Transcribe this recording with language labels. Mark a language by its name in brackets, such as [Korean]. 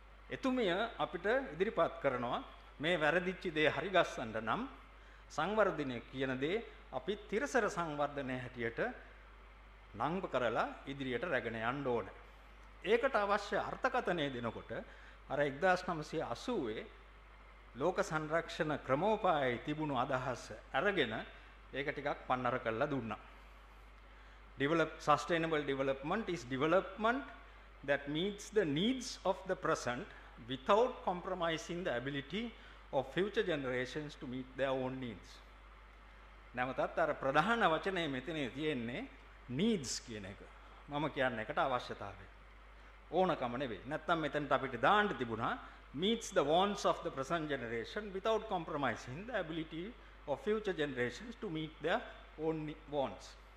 [Sinhala] එතුමිය අපිට ඉදිරිපත් කරනවා මේ වැරදිච්ච දේ හරි ගස්සන්න නම් සංවර්ධනය කියන දේ අපි තිරසර සංවර්ධනය හැටියට නම්බ කරලා ඉදිරියට රැගෙන යන්න ඕනේ. ඒකට අවශ්‍ය අර්ථකථනය දෙනකොට අර 1980 ලෝක සංරක්ෂණ ක්‍රමෝපායයි තිබුණු අදහස අරගෙන ඒක ටිකක් පන්නර කරලා දුන්නා. [English] Sustainable development is development that meets the needs of the present without compromising the ability of future generations to meet their own needs. [Sinhala] නැවතත් අර ප්‍රධාන වචනේ මෙතන තියෙන්නේ needs කියන එක. මම කියන්නේ එකට අවශ්‍යතාවය. ඕනකම නෙවෙයි. නැත්තම් මෙතනට අපිට දාන්න තිබුණා [English] meets the wants of the present generation without compromising the ability of future generations to meet their own wants.